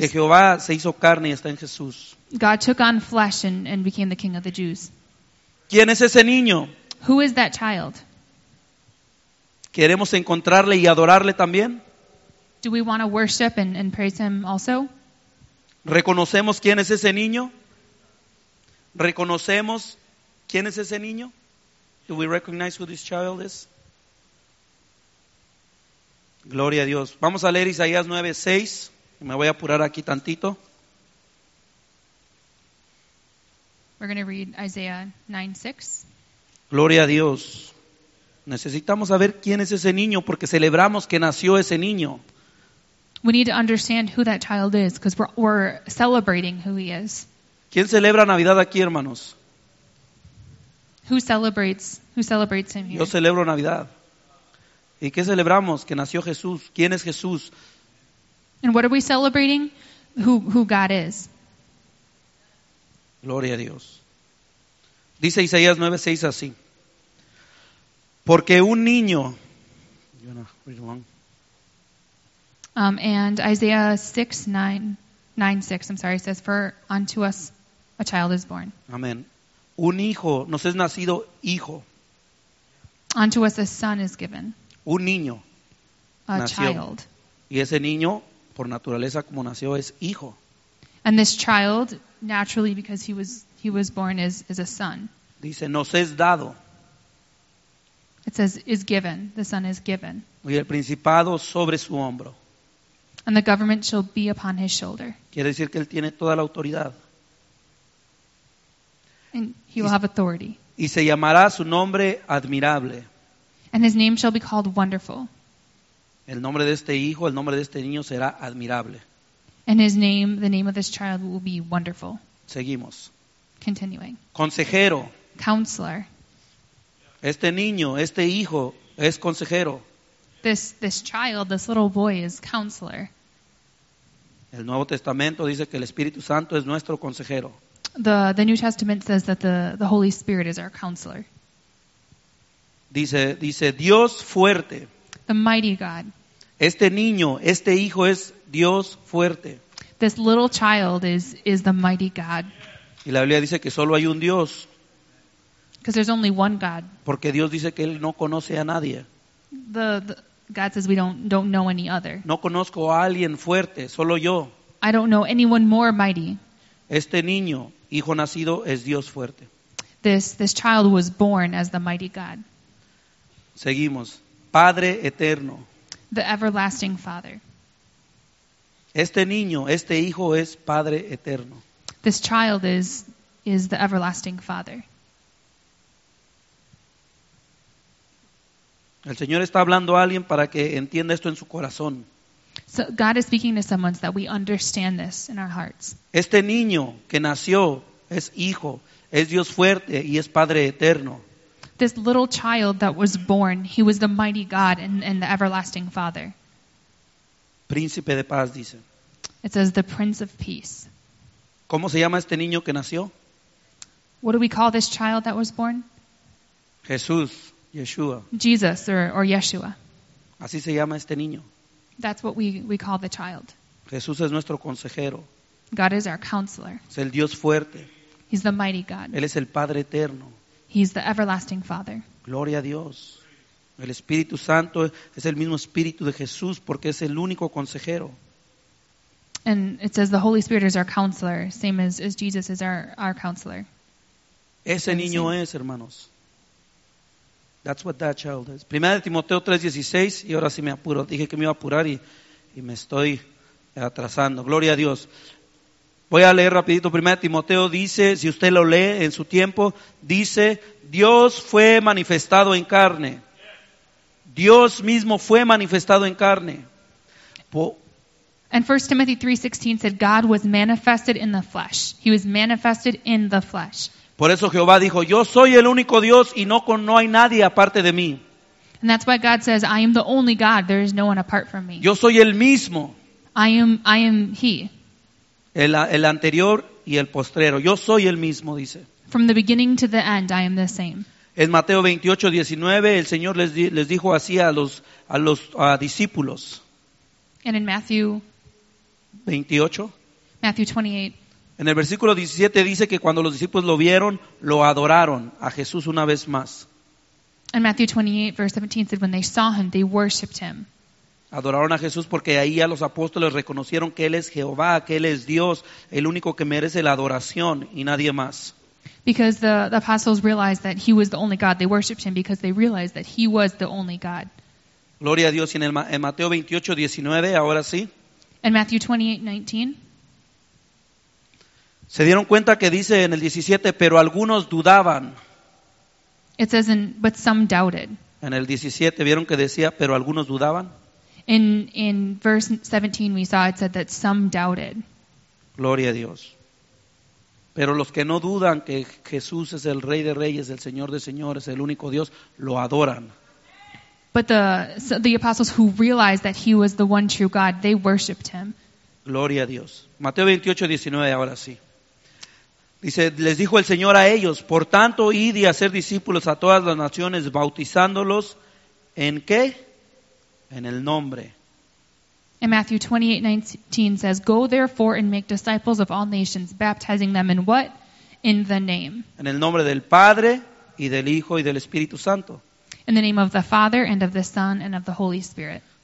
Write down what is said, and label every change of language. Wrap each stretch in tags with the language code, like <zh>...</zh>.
<es>Que Jehová se hizo carne y está en Jesús.</es> <en>God took on flesh and became the king of the Jews.</en> <es>¿Quién es ese niño?</es> <en>Who is that child?</en> <es>¿Queremos encontrarle y adorarle también?</es> <en>Do we want to worship and praise him also?</en> <es>¿Reconocemos quién es ese niño? ¿Reconocemos quién es ese niño?</es> <en>Do we recognize who this child is?</en> <es>Gloria a Dios. Vamos a leer Isaías 9:6. Me voy a apurar aquí tantito.</es> <en>We're going to read Isaiah 9:6.</en> <es>Gloria a Dios. Necesitamos saber quién es ese niño porque celebramos que nació ese niño.</es> <en>We need to understand who that child is because we're celebrating who he is.</en> <es>¿Quién celebra Navidad aquí, hermanos?</es> <en>Who celebrates him here?</en> <es>Yo celebro Navidad. ¿Y qué celebramos? Que nació Jesús. ¿Quién es Jesús?</es> <en>And what are we celebrating? Who God is.</en> <es>Gloria a Dios. Dice Isaías 9:6 así. Porque un niño.</es> <en>And Isaiah 6:9-6, I'm sorry, says, for unto us a child is born.</en> <es>Amén. Un hijo, nos es nacido hijo.</es> <en>Unto us a son is given.</en> <es>Un niño.</es> <en>A</en> <es>nació.</es> <en>Child.</en> <es>Y ese niño, por naturaleza, como nació, es hijo.</es> <en>And this child, naturally, because he was born, is a son.</en> <es>Dice, nos es dado.</es> <en>It says, is given. The son is given.</en> <es>Y el principado sobre su hombro.</es> <en>And the government shall be upon his shoulder.</en> <es>Quiere decir que él tiene toda la autoridad.</es> <en>And he will have authority.</en> <es>Y se llamará su nombre admirable.</es> <en>And his name shall be called wonderful.</en> <es>El nombre de este hijo, el nombre de este niño será admirable.</es> <en>And his name, the name of this child will be wonderful.</en> <es>Seguimos.</es> <en>Continuing.</en> <es>Consejero.</es> <en>Counselor.</en> <es>Este niño, este hijo es consejero.</es> <en>This child, this little boy is counselor.</en> <es>El Nuevo Testamento dice que el Espíritu Santo es nuestro consejero.</es> <en>The New Testament says that the Holy Spirit is our counselor.</en> <es>Dice Dios fuerte.</es> <en>The mighty God.</en> <es>Este niño, este hijo es Dios fuerte.</es> <en>This little child is the mighty God.</en> <es>Y la Biblia dice que solo hay un Dios.</es> <en>Because there's only one God.</en> <es>Porque Dios dice que él no conoce a nadie.</es> <en>God says we don't know any other.</en> <es>No conozco a alguien fuerte, solo yo.</es> <en>I don't know anyone more mighty.</en> <es>Este niño, hijo nacido, es Dios fuerte.</es> <en>This child was born as the mighty God.</en> <es>Seguimos. Padre eterno.</es> <en>The everlasting Father.</en> <es>Este niño, este hijo es Padre eterno.</es> <en>This child is the everlasting Father.</en> <es>El Señor está hablando a alguien para que entienda esto en su corazón.</es> <en>So God is speaking to someone so that we understand this in our hearts.</en> <es>Este niño que nació es hijo, es Dios fuerte y es Padre eterno.</es> <en>This little child that was born, he was the mighty God and the everlasting Father.</en> <es>Príncipe de paz, dice.</es> <en>It says the Prince of Peace.</en> <es>¿Cómo se llama este niño que nació?</es> <en>What do we call this child that was born?</en> <es>Jesús, Yeshua.</es> <en>Jesus or Yeshua.</en> <es>Así se llama este niño.</es> <en>That's what we call the child.</en> <es>Jesús es nuestro consejero.</es> <en>God is our counselor.</en> <es>Es el Dios fuerte.</es> <en>He's the mighty God.</en> <es>Él es el Padre eterno.</es> <en>He's the everlasting Father.</en> <es>Gloria a Dios. El Espíritu Santo es el mismo Espíritu de Jesús porque es el único consejero.</es> <en>And it says the Holy Spirit is our counselor, same as Jesus is our counselor.</en> <es>Ese niño es, hermanos.</es> <en>That's what that child is.</en> <es>Primera de Timoteo 3:16, y ahora sí me apuro. Dije que me iba a apurar y me estoy atrasando. Gloria a Dios. Voy a leer rapidito. Primera de Timoteo dice, si usted lo lee en su tiempo, dice, Dios fue manifestado en carne. Dios mismo fue manifestado en carne.</es> <en>And 1 Timothy 3:16 said, God was manifested in the flesh. He was manifested in the flesh.</en> <es>Por eso Jehová dijo, yo soy el único Dios y no hay nadie aparte de mí.</es> <en>And that's why God says, I am the only God. There is no one apart from me.</en> <es>Yo soy el mismo.</es> <en>I am he.</en> <es>El anterior y el postrero. Yo soy el mismo, dice.</es> <en>From the beginning to the end, I am the same.</en> <es>En Mateo 28:19, el Señor les dijo así a los discípulos.</es> <en>And in Matthew 28.</en> <es>En el versículo 17 dice que cuando los discípulos lo vieron, lo adoraron a Jesús una vez más.</es> <en>En Matthew 28, verse 17, said when they saw him, they worshipped him.</en> <es>Adoraron a Jesús porque ahí ya los apóstoles reconocieron que él es Jehová, que él es Dios, el único que merece la adoración y nadie más.</es> <en>Because the apostles realized that he was the only God, they worshipped him because they realized that he was the only God.</en> <es>Gloria a Dios. Y en Mateo 28:19, ahora sí.</es> <en>En Matthew 28:19.</en> <es>Se dieron cuenta que dice en el 17, pero algunos dudaban.</es> <en>It says, but some doubted.</en> <es>En el 17 vieron que decía, pero algunos dudaban.</es> <en>In verse 17 we saw it said that some doubted.</en> <es>Gloria a Dios. Pero los que no dudan que Jesús es el Rey de Reyes, el Señor de Señores, el único Dios, lo adoran.</es> <en>But the apostles who realized that he was the one true God, they worshiped him.</en> <es>Gloria a Dios. Mateo 28:19, ahora sí. Dice, les dijo el Señor a ellos, por tanto, id y hacer discípulos a todas las naciones, bautizándolos, ¿en qué? En el nombre.</es> <en>And Matthew 28:19 says, go therefore and make disciples of all nations, baptizing them in what? In the name.</en> <es>En el nombre del Padre, y del Hijo, y del Espíritu Santo.</es> <en>In the name of the Father, and of the Son, and of the Holy Spirit.</en>